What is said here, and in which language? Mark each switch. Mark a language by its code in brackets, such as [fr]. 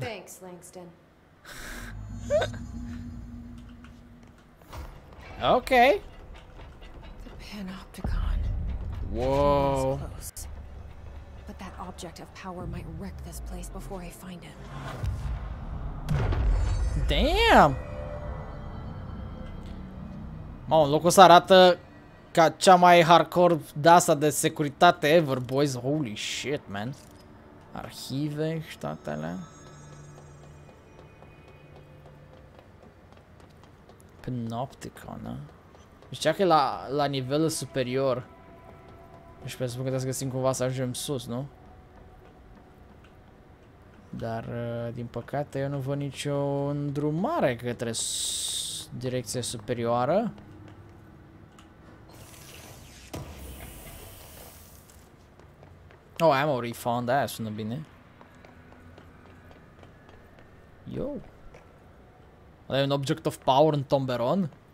[en] Thanks, Langston. Okay. The Panopticon. Whoa. But that object of power might wreck this place before I find him. [ro] Damn! Mă, locul ăsta arată ca cea mai hardcore de-asta de securitate [en] ever, boys. Holy shit, man. [ro] Arhive și toate alea. Panopticon, da? Zicea că e la nivelul superior. Nu știu, presupun că trebuie să găsim cumva să ajungem sus, nu? Dar, din păcate, eu nu văd nicio îndrumare către direcția superioară. [en] Oh, I'm already found that, [ro] sună bine. Yo! Ai un object of power în Tomberon?